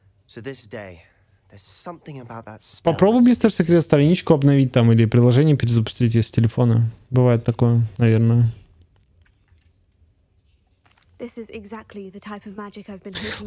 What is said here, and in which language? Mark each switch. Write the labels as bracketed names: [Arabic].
[English] So this day, there's something about that spell. [Russian] Попробуй, мистер Секрет, страничку обновить там или приложение перезапустить из телефона. Бывает такое, наверное. [English] This is exactly the type of magic I've been hoping.